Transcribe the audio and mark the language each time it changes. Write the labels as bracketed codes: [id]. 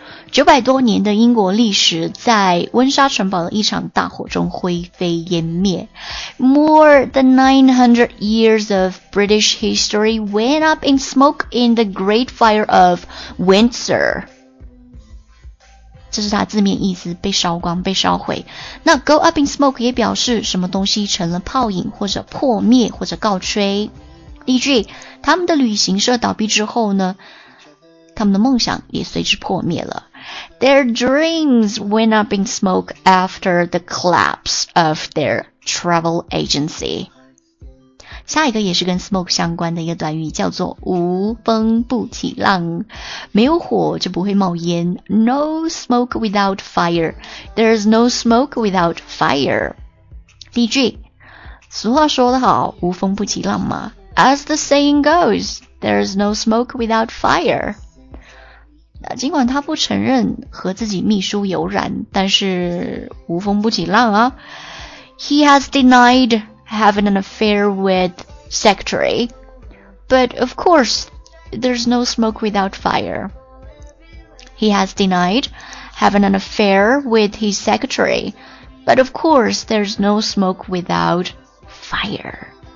[zh] 900多年的英国历史在温莎城堡的一场大火中灰飞烟灭。 [en] More than 900 years of British history went up in smoke in the Great Fire of Windsor. [zh] 这是它字面意思，被烧光、被烧毁。那 [en] go up in smoke [zh] 也表示什么东西成了泡影，或者破灭，或者告吹。例句，他们的旅行社倒闭之后呢，他们的梦想也随之破灭了。 [en] Their dreams went up in smoke after the collapse of their travel agency. [zh] 下一个也是跟 smoke 相关的一个短语，叫做无风不起浪。没有火就不会冒烟。 [en] No smoke without fire. There is no smoke without fire. [zh] 例句，俗话说得好，无风不起浪嘛。 [en] As the saying goes, there is no smoke without fire. [zh] 尽管他不承认和自己秘书有染，但是无风不起浪啊。 [en] He has denied having an affair with secretary. But of course,There's no smoke without fire. He has denied having an affair with his secretary. But of course, there's no smoke without fire.